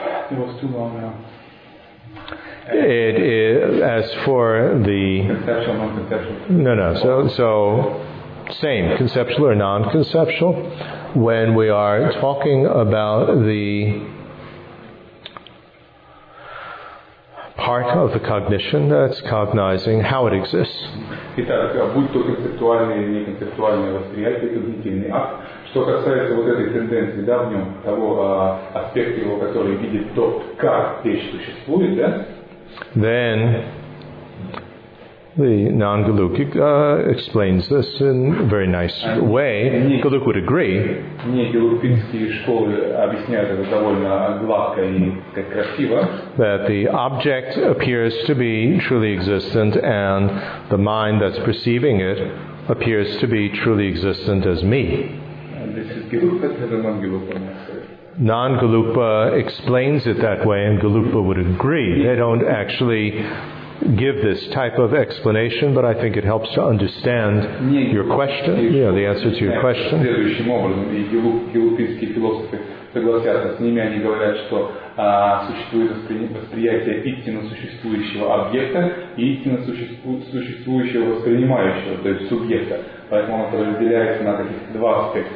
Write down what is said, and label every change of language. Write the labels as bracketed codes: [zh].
[en] It was too long now. Conceptual, non-conceptual. So same, conceptual or non-conceptual. When we are talking about the part of the cognition that's cognizing how it exists. [ru] Итак, будь то концептуальное или неконцептуальное восприятие, когнитивный акт, что касается вот этой тенденции, да, в нем, того аспекта его, который видит то, как вещь существует, да? [en] Then, the non-Gluck explains this in a very nice way. Gluck would agree. [ru] Не-гелупинские школы объясняют это довольно гладко и красиво. [en] That the object appears to be truly existent and the mind that's perceiving it appears to be truly existent as me. This is Gluck, but it's not Gluck. Non-Galupa explains it that way, and Galupa would agree. They don't actually give this type of explanation, but I think it helps to understand your question, you know, the answer to your question. [ru] Согласятся с ними, они говорят, что существует восприятие истинно существующего объекта и истинно существующего воспринимающего, то есть субъекта. Поэтому оно подразделяется на таких два аспекта.